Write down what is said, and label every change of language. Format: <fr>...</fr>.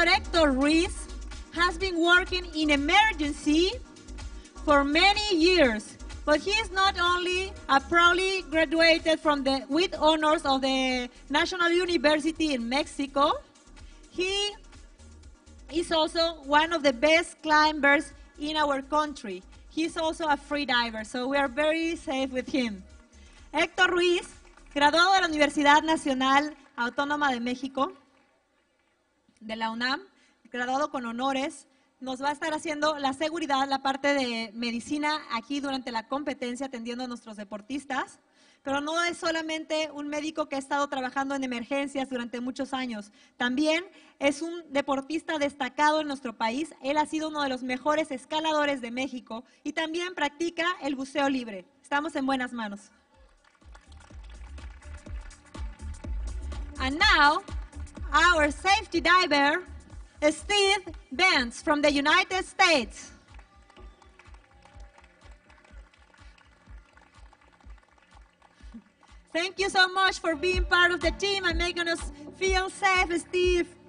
<en>Héctor Ruiz has been working in emergency for many years, but he is not only a proudly graduated from the with honors of the National University in Mexico, he is also one of the best climbers in our country. He is also a free diver, so we are very safe with him.</en> <es>Héctor Ruiz, graduado de la Universidad Nacional Autónoma de México, de la UNAM, graduado con honores, nos va a estar haciendo la seguridad, la parte de medicina aquí durante la competencia, atendiendo a nuestros deportistas. Pero no es solamente un médico que ha estado trabajando en emergencias durante muchos años. También es un deportista destacado en nuestro país. Él ha sido uno de los mejores escaladores de México y también practica el buceo libre. Estamos en buenas manos.</es> <en>And now, our safety diver, Steve Benz from the United States. Thank you so much for being part of the team and making us feel safe, Steve.</en>